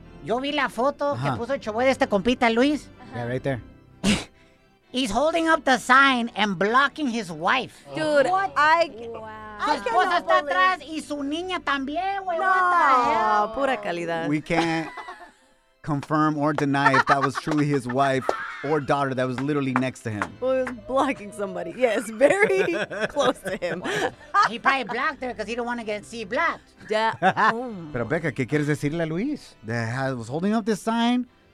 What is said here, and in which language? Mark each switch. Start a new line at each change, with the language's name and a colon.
Spanish: Yo vi la foto que puso el chavo de este compita Luis.
English: Yeah, right there. He's holding up the sign and blocking his wife. Dude,
Spanish: su esposa está atrás y su niña también, güey. No,
English: what the hell?
Spanish: Pura calidad.
English: We can't confirm or deny if that was truly his wife or daughter that was literally next to him. Well, he was blocking somebody. Yes, very close to him. He probably blocked her because he didn't want to get see blocked.
Spanish: Pero Becca, ¿qué quieres decirle a Luis?
English: That I was holding up this sign.